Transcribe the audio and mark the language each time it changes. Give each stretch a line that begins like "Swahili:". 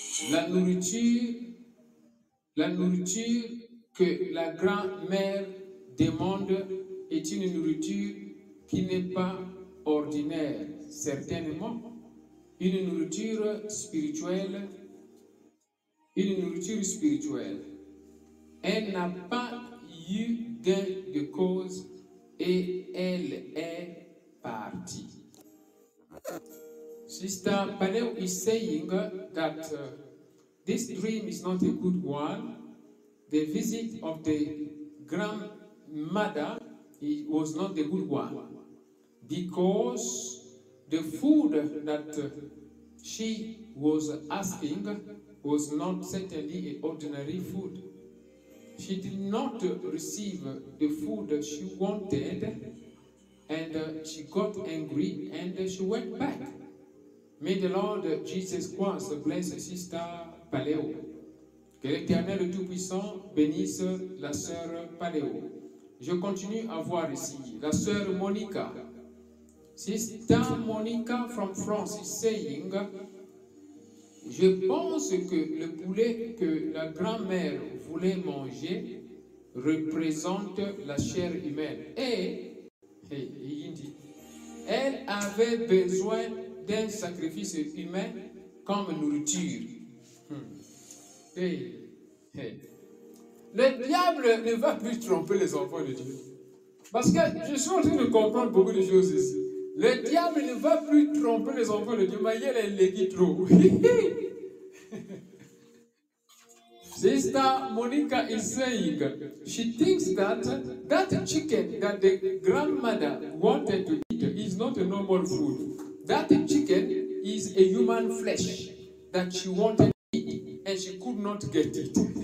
French: La nourriture que la grand-mère demande est une nourriture qui n'est pas ordinaire, certainement, une nourriture spirituelle. Une nourriture spirituelle. Elle n'a pas eu gain de cause et elle est partie.
English: Sister Paleo is saying that this dream is not a good one. The visit of the grandmother was not a good one because the food that she was asking was not certainly an ordinary food. She did not receive the food that she wanted, and she got angry, and she went back. May the Lord Jesus Christ bless Sister Paléo.
French: Que l'Éternel Tout-Puissant bénisse la sœur Paléo. Je continue à voir ici la sœur Monica.
English: Sister Monica from France is saying,
French: je pense que le poulet que la grand-mère voulait manger représente la chair humaine. Et elle avait besoin d'un sacrifice humain comme nourriture. Le diable ne va plus tromper les enfants de Dieu. Parce que je suis en train de comprendre beaucoup de choses ici. Le diable ne va plus tromper les enfants de Dieu, mais il est légué trop.
English: Sister Monica is saying, she thinks that chicken that the grandmother wanted to eat is not a normal food. That chicken is a human flesh that she wanted to eat and she could not get it.